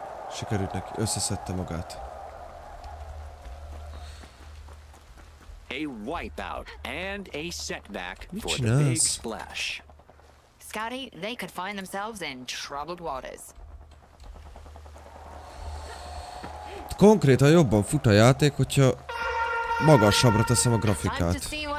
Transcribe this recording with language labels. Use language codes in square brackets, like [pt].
[hu] Sikerült neki, összeszedte magát. [en] a wipeout, and a setback for the big splash. Scotty, they could find themselves in troubled waters. [hu] Konkrétan jobban fut a játék, hogyha magasabbra teszem a grafikát.